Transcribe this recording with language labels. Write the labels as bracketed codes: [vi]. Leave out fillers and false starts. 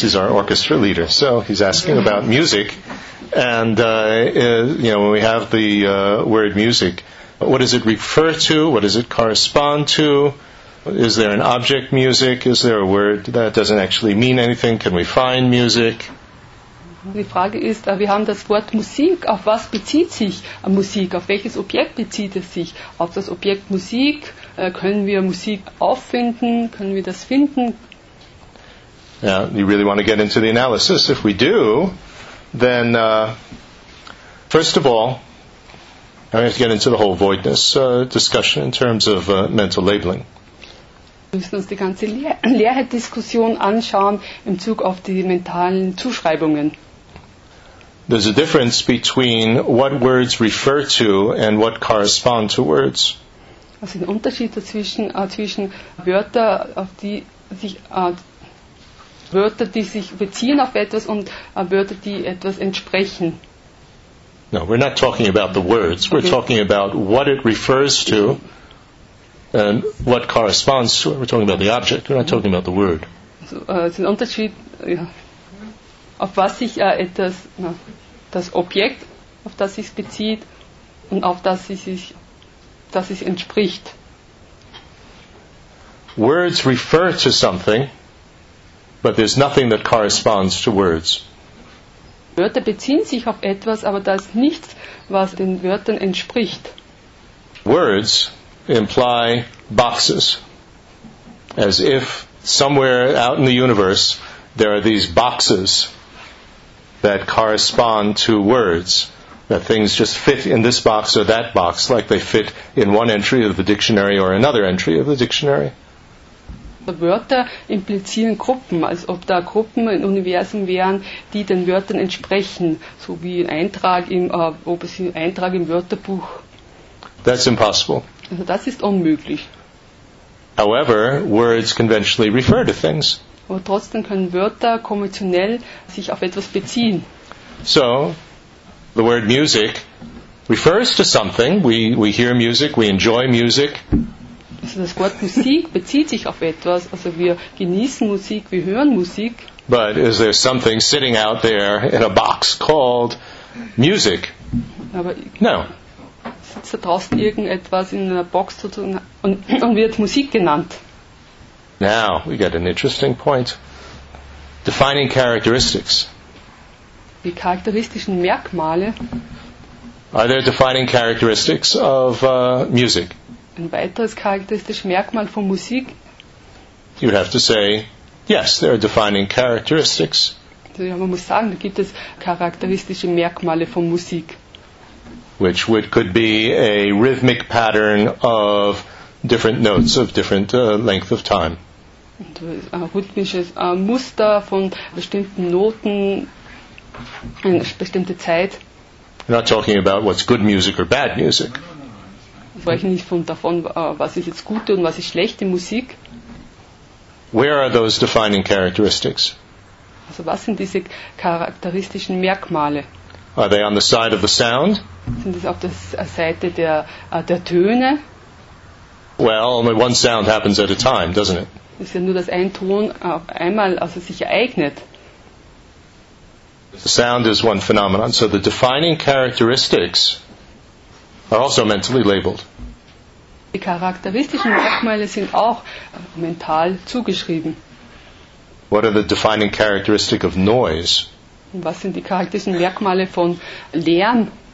[en] He's our orchestra leader. So he's asking about music. And, when we have the word music, what does it refer to? What does it correspond to? Is there an object music? Is there a word that doesn't actually mean anything? Can we find music? [de] Die Frage ist, wir haben das Wort Musik, auf was bezieht sich Musik, auf welches Objekt bezieht es sich? Auf das Objekt Musik, können wir Musik auffinden, können wir das finden? [en] Yeah, you really want to get into the analysis. If we do, then first of all, I have to get into the whole voidness discussion in terms of mental labeling. [de] Wir müssen uns die ganze Leerheit-Diskussion anschauen im Zug auf die mentalen Zuschreibungen. [en] There's a difference between what words refer to and what correspond to words. [de] Also ein Unterschied dazwischen zwischen Wörter, auf die sich Wörter, die sich beziehen auf etwas und Wörter, die etwas entsprechen. [en] No, we're not talking about the words. We're talking about what it refers to and what corresponds to it. We're talking about the object. We're not talking about the word. [de] Also es ist ein Unterschied, ja. Auf was sich etwas, na, das Objekt, auf das sich bezieht und auf das sich, das es entspricht. [en] Words refer to something, but there's nothing that corresponds to words. [de] Wörter beziehen sich auf etwas, aber da ist nichts, was den Wörtern entspricht. [en] Words imply boxes, as if somewhere out in the universe there are these boxes that correspond to words, that things just fit in this box or that box, like they fit in one entry of the dictionary or another entry of the dictionary. [de] Wörter implizieren Gruppen, als ob da Gruppen im Universum wären, die den Wörtern entsprechen, so wie ein Eintrag im, ob es ein Eintrag im Wörterbuch. [en] That's impossible. [de] Also das ist unmöglich. [en] However, words conventionally refer to things. [de] Aber trotzdem können Wörter konventionell sich auf etwas beziehen. [en] So, the word music refers to something. We hear music, we enjoy music. [de] Also das Wort Musik bezieht sich auf etwas. Also wir genießen Musik, wir hören Musik. [en] But is there something sitting out there in a box called music? [de] Aber [en] no. [de] Sitzt da draußen irgendetwas in einer Box und wird Musik genannt? [en] Now we get an interesting point. Defining characteristics. [de] Die charakteristischen Merkmale. [en] Are there defining characteristics of music? [de] Ein weiteres charakteristisches Merkmal von Musik. [en] You'd have to say, yes, there are defining characteristics. [de] Ja, man muss sagen, da gibt es charakteristische Merkmale von Musik. [en] Which would could be a rhythmic pattern of different notes of different length of time. [de] Ein rhythmisches Muster von bestimmten Noten, eine bestimmte Zeit. [en] We're not talking about what's good music or bad music. [de] Ich spreche nicht von davon, was ist jetzt gute und was ist schlechte Musik. [en] Where are those defining characteristics? [de] Also was sind diese charakteristischen Merkmale? [en] Are they on the side of the sound? [de] Sind es auf der Seite der der Töne? [en] Well, only one sound happens at a time, doesn't it? [de] Es ist ja nur, dass ein Ton auf einmal also sich ereignet. [en] Sound is one phenomenon. So the defining characteristics are also mentally labeled. [de] Die charakteristischen Merkmale sind auch mental zugeschrieben. [en] What are the defining characteristics of noise? [de] Was sind die charakteristischen Merkmale von Lärm?